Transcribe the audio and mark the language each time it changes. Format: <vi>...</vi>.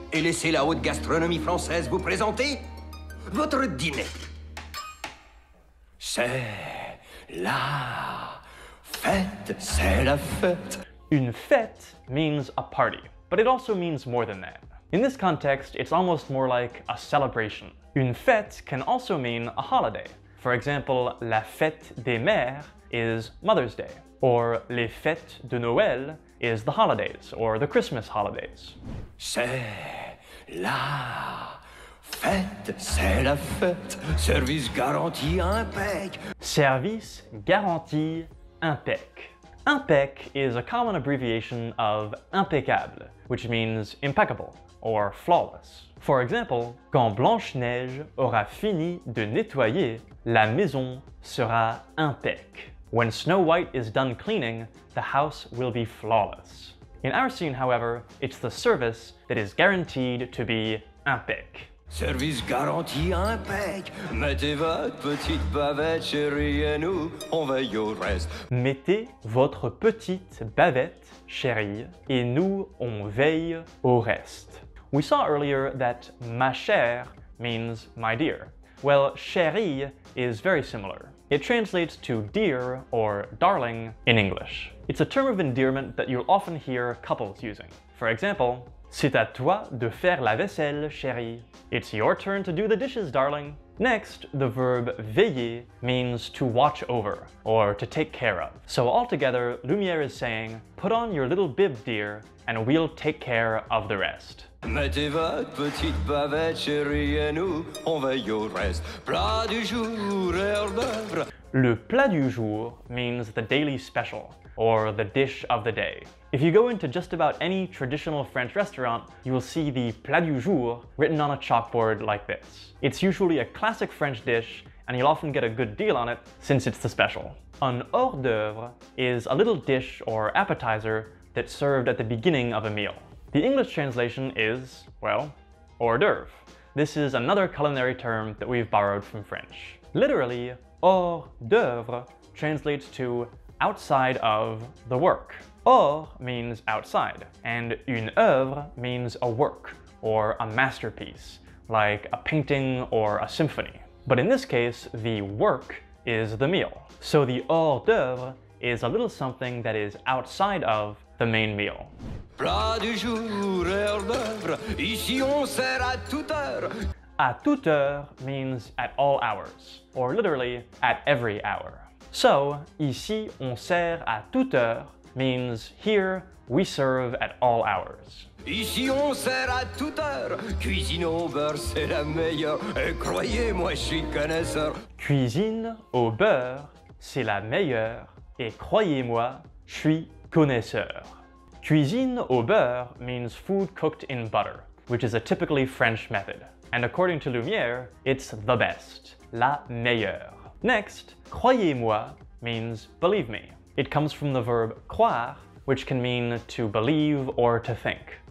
<fr>Et laissez la haute gastronomie française vous présenter votre dîner. C'est la fête, c'est la fête.</fr> <en>Une fête means a party, but it also means more than that. In this context, it's almost more like a celebration. Une fête can also mean a holiday. For example,</en> <fr>la fête des mères</fr> <en>is Mother's Day, or</en> <fr>les fêtes de Noël</fr> <en>is the holidays, or the Christmas holidays.</en> <fr>C'est la fête, c'est la fête, service garanti impec. Service garanti impec.</fr> <en>Impec is a common abbreviation of impeccable, which means impeccable or flawless. For example,</en> <fr>quand Blanche-Neige aura fini de nettoyer, la maison sera impec.</fr> <en>When Snow White is done cleaning, the house will be flawless. In our scene, however, it's the service that is guaranteed to be impec.</en> <fr>Service garanti impec. Mettez votre petite bavette, chérie, et nous, on veille au reste. Mettez votre petite bavette, chérie, et nous, on veille au reste.</fr> <en>We saw earlier that ma chère means my dear. Well, chérie is very similar. It translates to dear or darling in English. It's a term of endearment that you'll often hear couples using. For example,</en> <fr>c'est à toi de faire la vaisselle, chérie.</fr> <en>It's your turn to do the dishes, darling. Next, the verb veiller means to watch over or to take care of. So altogether, Lumière is saying, put on your little bib, dear, and we'll take care of the rest.</en> <fr>Mettez votre petite bavette, chérie, et nous, on veille au reste. Plat du jour, hors d'oeuvre.</fr> <en>Le plat du jour means the daily special, or the dish of the day. If you go into just about any traditional French restaurant, you will see the plat du jour written on a chalkboard like this. It's usually a classic French dish, and you'll often get a good deal on it since it's the special. An hors d'oeuvre is a little dish or appetizer that's served at the beginning of a meal. The English translation is, well, hors d'oeuvre. This is another culinary term that we've borrowed from French. Literally, hors d'oeuvre translates to outside of the work. Hors means outside, and une œuvre means a work or a masterpiece, like a painting or a symphony. But in this case, the work is the meal. So the hors d'oeuvre is a little something that is outside of the main meal.</en> <fr>Plat du jour, hors d'oeuvre, ici on sert à toute heure.</fr> <en>À toute heure means at all hours, or literally at every hour. So,</en> <fr>ici on sert à toute heure</fr> <en>means here we serve at all hours.</en> <fr>Ici on sert à toute heure, cuisine au beurre c'est la meilleure, et croyez-moi je suis connaisseur. Cuisine au beurre c'est la meilleure, et croyez-moi je suis connaisseur.</fr> <en>Cuisine au beurre means food cooked in butter, which is a typically French method. And according to Lumière, it's the best, la meilleure. Next, croyez-moi means believe me. It comes from the verb croire, which can mean to believe or to think.</en>